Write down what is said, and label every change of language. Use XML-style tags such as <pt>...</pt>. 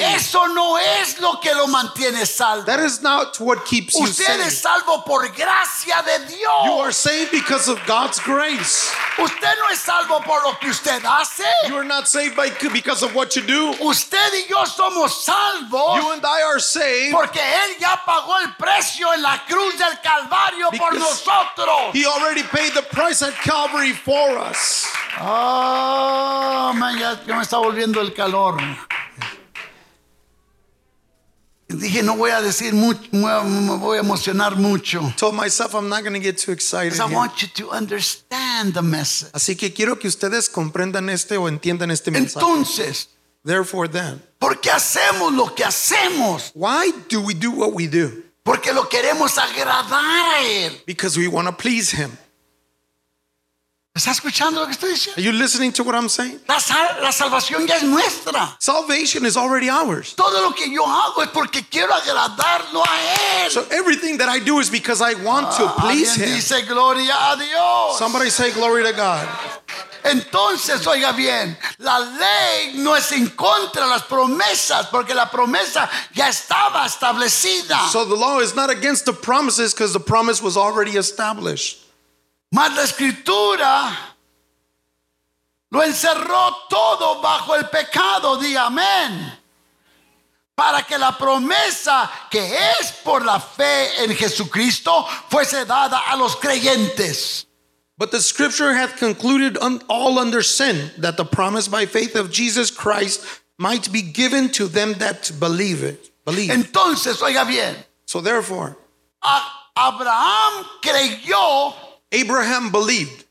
<es>Eso no es lo que lo mantiene salvo.</es> <en>That is not what keeps</en> <es>usted</es> <en>you saved.</en> <es>Usted es salvo por gracia de Dios.</es> <en>You are saved because of God's grace.</en> <es>Usted no es salvo por lo que usted hace.</es> <en>You're not saved because of what you do.</en> <es>Usted y yo somos salvos.</es> <en>You and I are saved.</en> <es>Porque él ya pagó el precio en la cruz del Calvario por nosotros.</es> <en>He already paid the price at Calvary for us.</en> <es>man, ya me está volviendo el calor. Dije, no voy a decir mucho, me voy a emocionar mucho.</es> <en>Told myself I'm not going to get too excited. Because I want you to understand the message.</en> <es>Así que quiero que ustedes comprendan este o entiendan este mensaje. Entonces,</es> <en>therefore then.</en> <es>¿Por qué hacemos lo que hacemos?</es> <en>Why do we do what we do?</en> <es>Porque lo queremos agradar a él.</es> <en>Because we want to please him.</en> <es>¿Estás escuchando lo que estoy diciendo?</es> <en>Are you listening to what I'm saying?</en> <es>La salvación ya es nuestra.</es> <en>Salvation is already ours.</en> <es>Todo lo que yo hago es porque quiero agradarlo a él.</es> <en>So everything that I do is because I want to please him.</en> <es>Alguien dice gloria a Dios.</es> <en>Somebody say glory to God.</en> <es>Entonces, oiga bien, la ley no es en contra de las promesas, porque la promesa ya estaba establecida.</es> <en>So the law is not against the promises because the promise was already established.</en> <es>Mas la escritura lo encerró todo bajo el pecado, di amén, para que la promesa que es por la fe en Jesucristo fuese dada a los creyentes.</es> <en>But the scripture hath concluded all under sin, that the promise by faith of Jesus Christ might be given to them that believe.</en> <es>Entonces, oiga bien.</es> <en>So therefore,</en> <es>Abraham creyó.</es> <en>Abraham believed.</en>